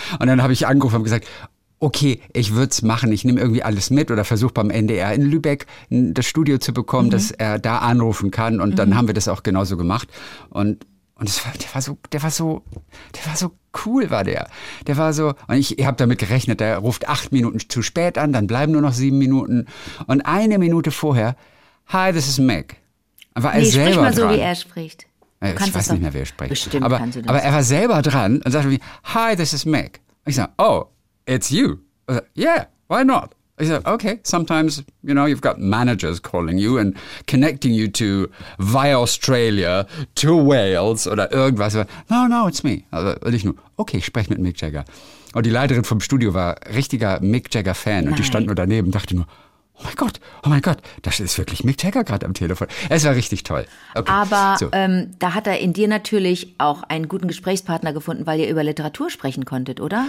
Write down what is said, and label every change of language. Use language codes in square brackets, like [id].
[de] Und dann habe ich angerufen und gesagt, okay, ich würde es machen, ich nehme irgendwie alles mit oder versuche beim NDR in Lübeck das Studio zu bekommen, dass er da anrufen kann und dann haben wir das auch genauso gemacht und das war, der war so cool, und ich habe damit gerechnet, der ruft 8 Minuten zu spät an, dann bleiben nur noch 7 Minuten und eine Minute vorher, [en] hi, this is Mick, [de] war er selber dran. Sprich mal so, wie er spricht. Ich weiß nicht mehr, wie er spricht. Bestimmt aber, kannst du das. Aber er war selber dran und sagte mir, [en] hi, this is Mick. [de] Und ich sage, [en] oh, it's you. I said, yeah, why not? I said, okay, sometimes, you know, you've got managers calling you and connecting you to via Australia, to Wales [de] oder irgendwas. [en] No, no, it's me. [de] Und ich nur, okay, ich spreche mit Mick Jagger. Und die Leiterin vom Studio war richtiger Mick Jagger-Fan. Nein. Und die stand nur daneben und dachte nur, oh mein Gott, das ist wirklich Mick Jagger gerade am Telefon. Es war richtig toll. Okay, aber so. Da hat er in dir natürlich auch einen guten Gesprächspartner gefunden, weil ihr über Literatur sprechen konntet, oder?